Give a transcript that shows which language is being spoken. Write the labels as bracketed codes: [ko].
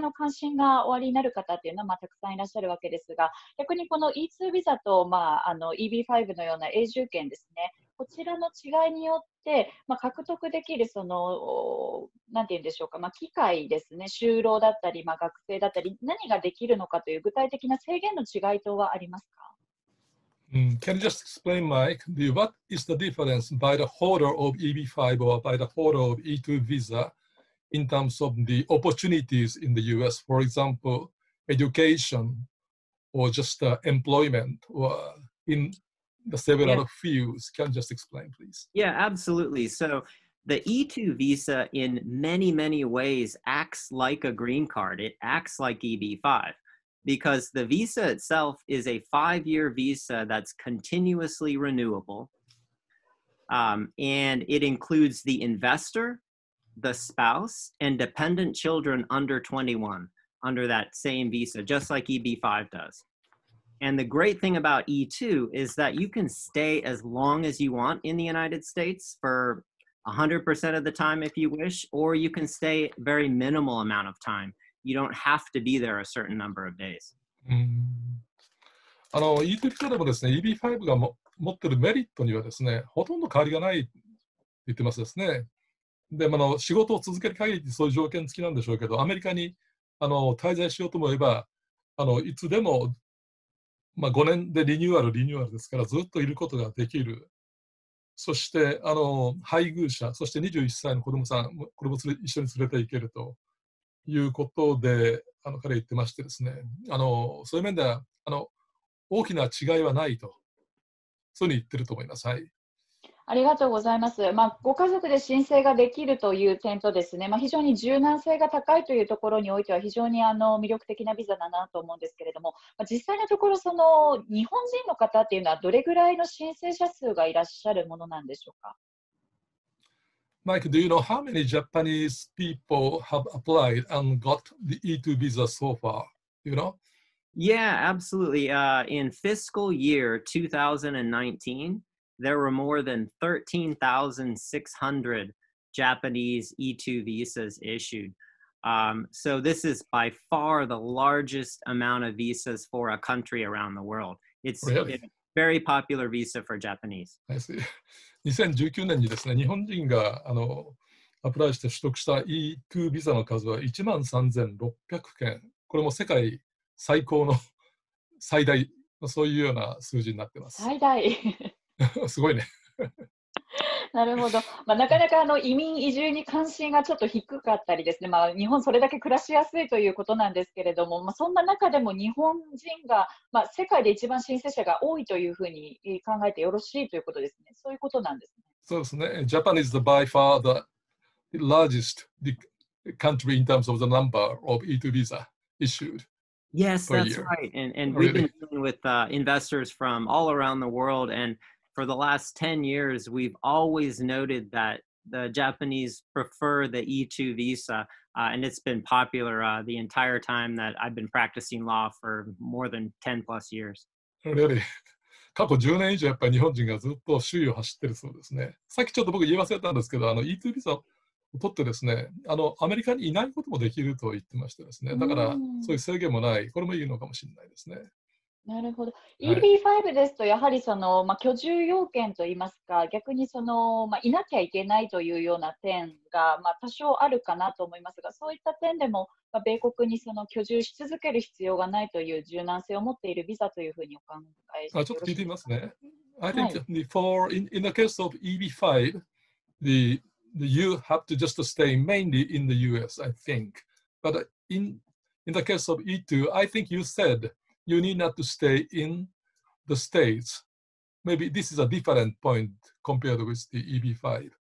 [ja] 関心がおありになる方というのは、まあ、たくさんいらっしゃるわけですが、逆にこの E2 ビザと、まあ、EB5 のような永住権ですね、こちらの違いによって、まあ、獲得できるその、なんて言うんでしょうか、まあ、機会ですね、就労だったり、まあ、学生だったり、何ができるのかという具体的な制限の違いとはありますか？ [en] Can you just explain, Mike, what is the difference by the holder of EB-5 or by the holder of E-2 visa in terms of the opportunities in the U.S., for example, education or just employment or in... The several yeah. fields. Can you just explain, please? Yeah, absolutely. So the E2 visa in many, many ways acts like a green card. It acts like EB-5 because the visa itself is a five-year visa that's continuously renewable. And it includes the investor, the spouse, and dependent children under 21 under that same visa, just like EB-5 does. And the great thing about E2 is that you can stay as long as you want in the United States for 100% of the time if you wish, or you can stay very minimal amount of time. You don't have to be there a certain number of days. [ja] E2 ビザでもですね、EB5 が持ってるメリットにはですね、ほとんど変わりがないって言ってますですね。で、仕事を続ける限りそういう条件付きなんでしょうけど、アメリカに滞在しようと思えば、いつでもまあ、5年でリニューアルですからずっといることができる。そして配偶者、そして21歳の子供さん、これも一緒に連れていけるということで彼言ってましてですね、そういう面では大きな違いはないと、そういうふうに言ってると思います。はい。ありがとうございます、まあ、ご家族で申請ができるという点とですね、まあ、非常に柔軟性が高いというところにおいては非常に魅力的なビザだなと思うんですけれども、まあ、実際のところその日本人の方というのはどれぐらいの申請者数がいらっしゃるものなんでしょうか。 [en] Mike, do you know how many Japanese people have applied and got the E2 visa so far? You know? Yeah, absolutely. In fiscal year 2019, there were more than 13,600 Japanese E2 visas issued. So this is by far the largest amount of visas for a country around the world. It's, really? It's a very popular visa for Japanese. I see. [ja] 2019年にですね、日本人がアプライして取得した E2 ビザの数は13,600件。これも世界最高の最大、そういうような数字になってます。最大すごいね。なるほど、まあ、なかなか移民移住に関心がちょっと低かったりですね、まあ、日本それだけ暮らしやすいということなんですけれども、まあ、そんな中でも日本人が、まあ、世界で一番申請者が多いというふうに考えてよろしいということですね。そういうことなんですね。そうですね。 [en] Japan is by far the largest country in terms of the number of E2 visa issued. Yes, that's right. And we've been dealing with investors from all around the world. And for the last 10 years, we've always noted that the Japanese prefer the E2 visa. And it's been popular the entire time that I've been practicing law for more than 10 plus years. Really? [ja] 過去10年以上やっぱり日本人がずっと首位を走ってるそうですね。さっきちょっと僕言い忘れたんですけど、E2 ビザ取ってですね、アメリカにいないこともできると言ってましてですね、だからそういう制限もない、これもいいのかもしれないですね。なるほど。 EB5 ですと、やはりその、まあ、居住要件といいますか、逆にその、まあ、いなきゃいけないというような点が、まあ、多少あるかなと思いますが、そういった点でも、まあ、米国にその居住し続ける必要がないという柔軟性を持っているビザというふうにお考えしてよろしいですか。ちょっと聞いてみますね。 [en] はい、I think for in the case of EB5, you have to just stay mainly in the US, I think. But in the case of E2, I think you said you need not to stay in the States. Maybe this is a different point compared with the EB5.